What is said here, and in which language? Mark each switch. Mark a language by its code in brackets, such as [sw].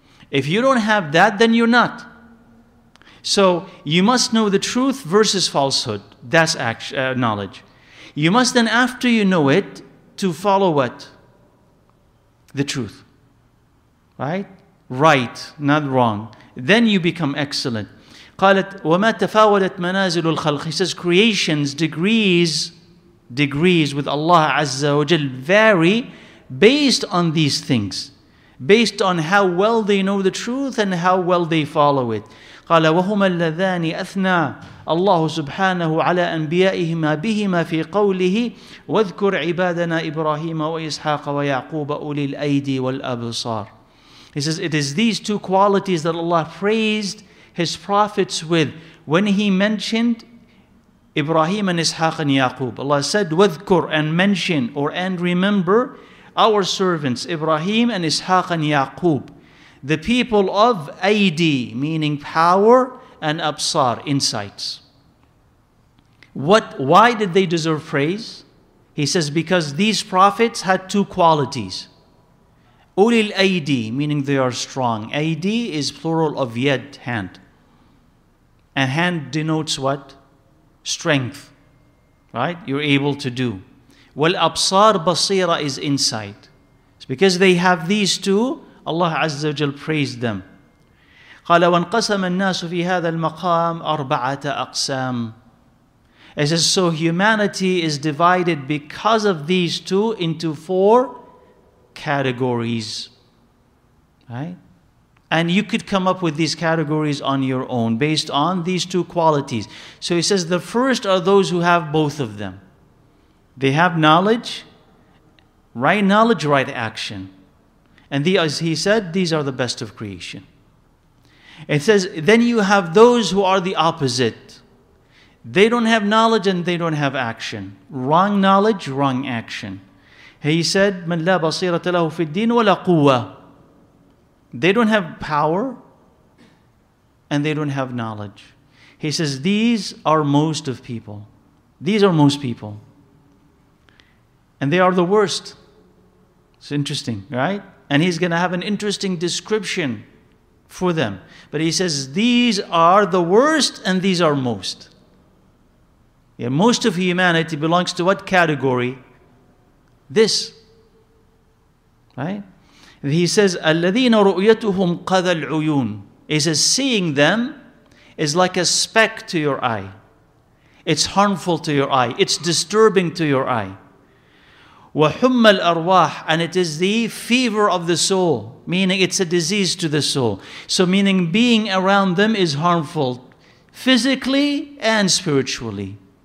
[en] If you don't have that, then you're not. So you must know the truth versus falsehood. That's knowledge. You must then, after you know it, to follow what? The truth. Right? Right, not wrong. Then you become excellent. [ar] قالت وما تفاوتت منازل الخلق. [en] He says, creations, degrees with Allah Azza wa Jal vary based on these things. Based on how well they know the truth and how well they follow it. [ar] قال وهما اللذان أثنى الله سبحانه على أنبيائهما بهما في قوله واذكر عبادنا إبراهيم وإسحاق ويعقوب أولي الأيدي والأبصار. [en] He says, it is these two qualities that Allah praised His prophets with when He mentioned Ibrahim and Ishaq and Yaqub. Allah said, واذكر, and mention or and remember our servants Ibrahim and Ishaq and Yaqub, the people of Aidi, meaning power, and Absar, insights. Why did they deserve praise? He says, because these prophets had two qualities. Ulil aidi, meaning they are strong. Aidi is plural of yad, hand. And hand denotes what? Strength. Right? You're able to do. Wal absar basira is insight. It's because they have these two, Allah Azza wa Jal praised them. [ar] قال وانقسم الناس في هذا المقام أربعة أقسام. [en] It says, so humanity is divided because of these two into four categories. Right? And you could come up with these categories on your own based on these two qualities. So he says the first are those who have both of them. They have knowledge, right action. And the, as he said, these are the best of creation. It says, then you have those who are the opposite. They don't have knowledge and they don't have action. Wrong knowledge, wrong action. He said, [ar] مَنْ لَا بَصِيرَةَ لَهُ فِي الدِّينِ وَلَا قُوَّةَ. [en] They don't have power and they don't have knowledge. He says, these are most of people. These are most people. And they are the worst. It's interesting, right? And he's going to have an interesting description for them. But he says, these are the worst and these are most. Yeah, most of humanity belongs to what category? This. Right? And he says, [ar] أَلَّذِينَ رُؤْيَتُهُمْ قَذَ الْعُيُونَ. [en] He says, seeing them is like a speck to your eye. It's harmful to your eye. It's disturbing to your eye. [ar] وَحُمَّ الْأَرْوَاحِ. [en] And it is the fever of the soul. Meaning it's a disease to the soul. So meaning being around them is harmful physically and spiritually.